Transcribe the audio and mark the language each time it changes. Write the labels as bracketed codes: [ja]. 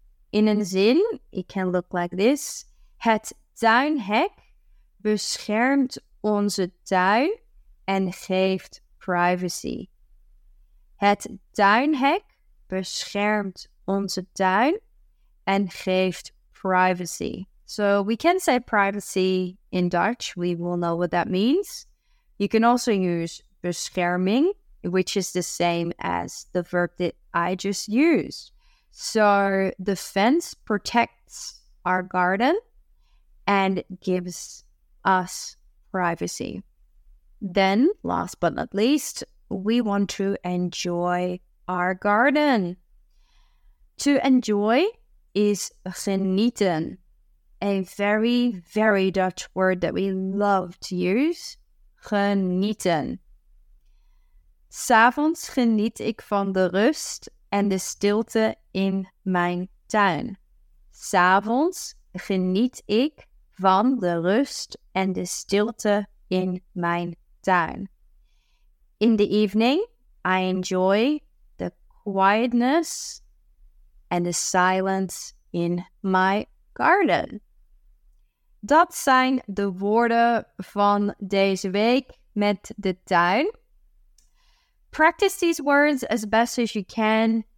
[nl] In een zin, [en] it can look like this. [nl] Het tuinhek beschermt onze tuin en geeft privacy. Het tuinhek beschermt onze tuin en geeft privacy. [en] So we can say privacy in Dutch. We will know what that means. You can also use bescherming, which is the same as the verb that I just used. So the fence protects our garden and gives us privacy. Then, last but not least, we want to enjoy our garden. To enjoy is genieten, a very, very Dutch word that we love to use. [nl] Genieten. 'S Avonds geniet ik van de rust en de stilte in mijn tuin. 'S Avonds geniet ik van de rust en de stilte in mijn tuin. [en] In the evening, I enjoy the quietness and the silence in my garden. [nl] Dat zijn de woorden van deze week met de tuin. [en] Practice these words as best as you can.